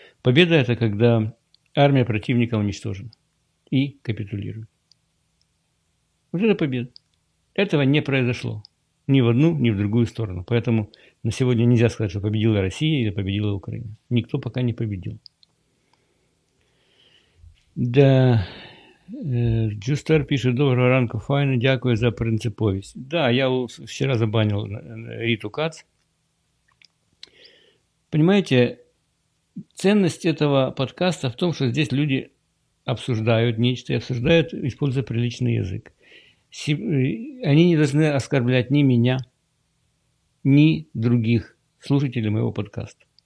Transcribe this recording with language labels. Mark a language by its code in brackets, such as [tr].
[ru] Победа – это когда армия противника уничтожена и капитулирует. Вот это победа. Этого не произошло ни в одну, ни в другую сторону. Поэтому на сегодня нельзя сказать, что победила Россия или победила Украина. Никто пока не победил. Да, Джустер пишет: [uk] «Доброго ранку, файно, дякую за принциповість». [ru] Да, я вчера забанил Риту Кац. Понимаете, ценность этого подкаста в том, что здесь люди обсуждают нечто и обсуждают, используя приличный язык. Они не должны оскорблять ни меня, ни других слушателей моего подкаста.